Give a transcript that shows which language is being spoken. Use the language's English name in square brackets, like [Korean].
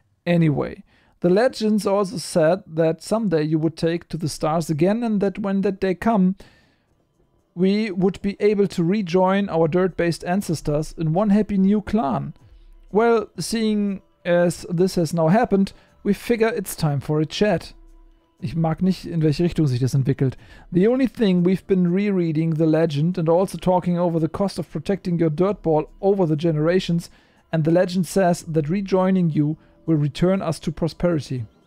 [English] Anyway, the legends also said that someday you would take to the stars again and that when that day come, we would be able to rejoin our dirt-based ancestors in one happy new clan. Well, seeing as this has now happened, we figure it's time for a chat. [German] Ich mag nicht, in welche Richtung sich das entwickelt. [English] The only thing, we've been rereading the legend and also talking over the cost of protecting your dirtball over the generations, and the legend says that rejoining you will return us to prosperity.